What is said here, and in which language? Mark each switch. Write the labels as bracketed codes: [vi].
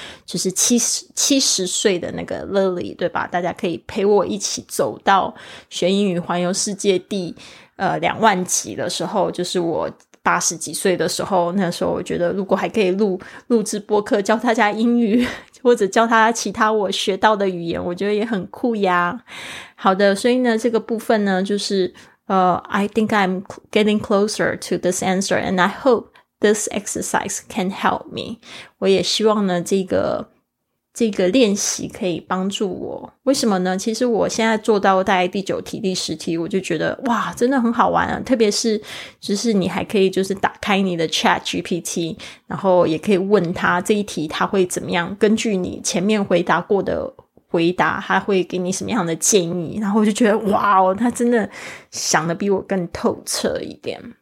[zh] 就是70岁的那个 Lily 对吧，大家可以陪我一起走到学英语环游世界第20000集的时候，就是我80几岁的时候，那时候我觉得如果还可以录制播客教大家英语，或者教他其他我学到的语言，我觉得也很酷呀。好的，所以呢这个部分呢就是 [en] I think I'm getting closer to this answer and I hope this exercise can help me. [zh] 我也希望呢这个练习可以帮助我，为什么呢？其实我现在做到大概9题10题，我就觉得哇真的很好玩啊，特别是就是你还可以就是打开你的 ChatGPT， 然后也可以问他这一题他会怎么样，根据你前面回答过的回答他会给你什么样的建议，然后我就觉得哇哦，他真的想的比我更透彻一点，